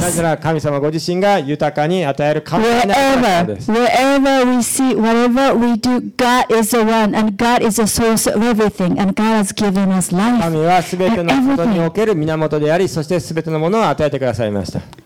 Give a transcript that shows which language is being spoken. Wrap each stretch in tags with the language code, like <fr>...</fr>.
<ja>なぜなら神様ご自身が豊かに与える寛大な方です。</ja> <en>Wherever we see, whatever we do, God is the one, and God is the source of everything, and God has given us life.</en> <ja>神はすべてのことにおける源であり、そしてすべてのものを与えてくださいました。</ja>